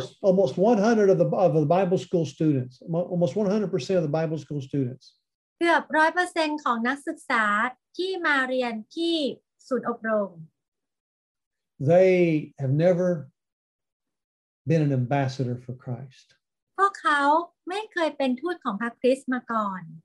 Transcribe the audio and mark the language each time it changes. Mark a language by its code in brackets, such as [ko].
[en] Almost 100 of the Bible school students. Almost 100% of the Bible school students. [th] เกือบ 100% ของนักศึกษาที่มาเรียนที่ศูนย์อบรม [en] They have never been an ambassador for Christ. [th] พวกเขาไม่เคยเป็นทูตของพระคริสต์มาก่อน